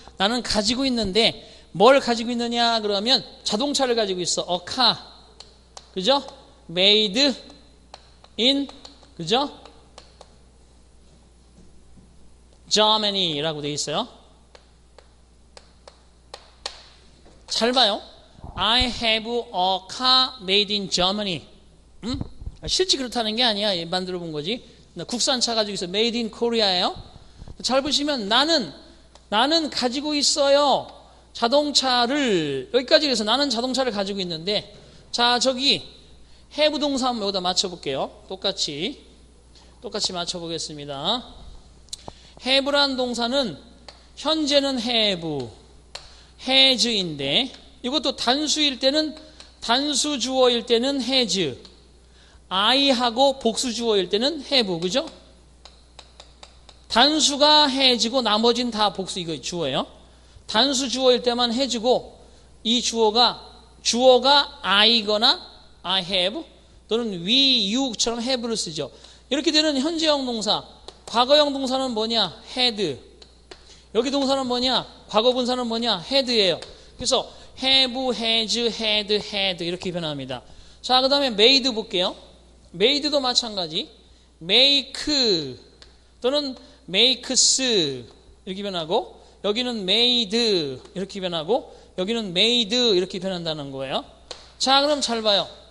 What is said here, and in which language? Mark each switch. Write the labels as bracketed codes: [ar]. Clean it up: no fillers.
[ko] 나는 가지고 있는데 뭘 가지고 있느냐 그러면 자동차를 가지고 있어. [en] A car, 그죠? Made in, 그죠? [ko] Germany라고 돼 있어요. 잘 봐요. [en] I have a car made in Germany. [ko] 실제 그렇다는 게 아니야. 만들어 본 거지. 나 국산차 가지고 있어. [en] Made in Korea예요. [ko] 잘 보시면 나는 가지고 있어요. 자동차를, 여기까지 해서 나는 자동차를 가지고 있는데, 자, 저기 have 동사 한번 여기다 맞춰볼게요. 똑같이 맞춰보겠습니다. have란 동사는 현재는 have, has인데, 이것도 단수일 때는, 단수 주어일 때는 has, I하고 복수 주어일 때는 have, 그죠? 단수가 해지고 나머진 다 복수, 이거 주어예요. 단수 주어일 때만 해지고 이 주어가 I거나 I have 또는 we, you처럼 have를 쓰죠. 이렇게 되는 현재형 동사, 과거형 동사는 뭐냐? had. 여기 동사는 뭐냐? 과거분사는 뭐냐? had예요. 그래서 have, has, had, had 이렇게 변합니다. 자, 그 다음에 made 볼게요. made도 마찬가지. make 또는 makes 이렇게 변하고, 여기는 made 이렇게 변하고, 여기는 made 이렇게 변한다는 거예요. 자, 그럼 잘 봐요.